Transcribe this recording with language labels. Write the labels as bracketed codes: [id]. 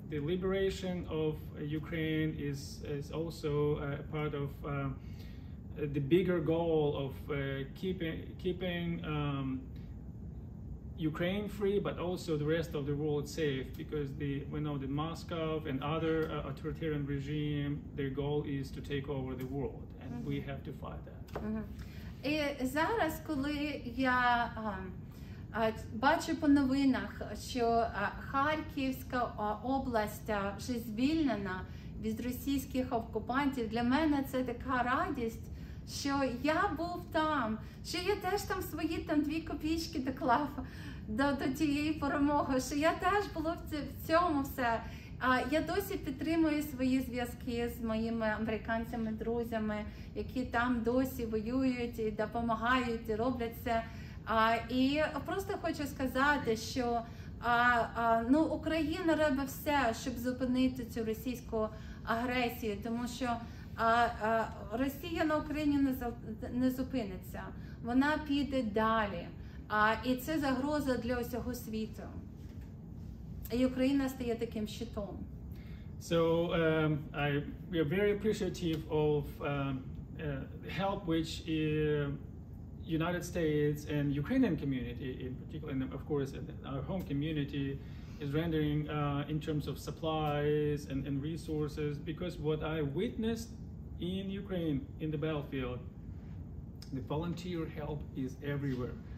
[en] The liberation of Ukraine is also a part of the bigger goal of keeping Ukraine free, but also the rest of the world safe, because we know that Moscow and other authoritarian regime, their goal is to take over the world, and we have to fight that. Uh-huh. [uk] І зараз, коли я бачу по новинах, що Харківська область вже звільнена від російських окупантів, для мене це така радість, що я був там, що я теж там свої там дві копійки доклав до тієї перемоги, що я теж була в цьому все. Я досі підтримую свої зв'язки з моїми американцями, друзями, які там досі воюють і допомагають, і роблять це. І просто хочу сказати, що ну, Україна робить все, щоб зупинити цю російську агресію, тому що Росія на Україні не зупиниться, вона піде далі. І це загроза для усього світу. Україна стає таким щитом. [en] So we are very appreciative of help which United States and Ukrainian community in particular, and of course in our home community, is rendering in terms of supplies and resources, because what I witnessed in Ukraine, in the battlefield, the volunteer help is everywhere.